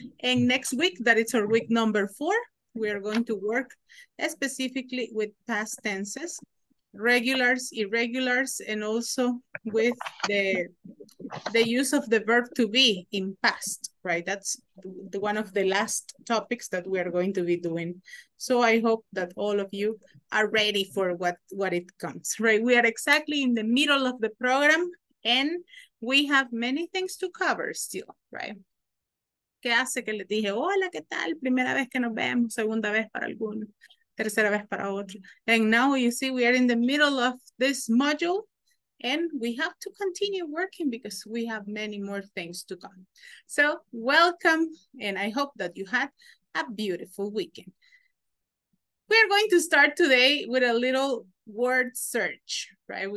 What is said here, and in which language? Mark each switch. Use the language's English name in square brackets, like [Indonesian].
[English] And next week, that is our week number four, we are going to work specifically with past tenses, regulars, irregulars, and also with the use of the verb to be in past, right? That's the one of the last topics that we are going to be doing. So I hope that all of you are ready for what it comes, right? We are exactly in the middle of the program and we have many things to cover still, right? [Spanish] ¿Qué hace que le dije, hola, qué tal? Primera vez que nos vemos, segunda vez para algunos, tercera vez para otro. [English] And now you see we are in the middle of this module and we have to continue working because we have many more things to come. So welcome, and I hope that you had a beautiful weekend. We are going to start today with a little word search, right?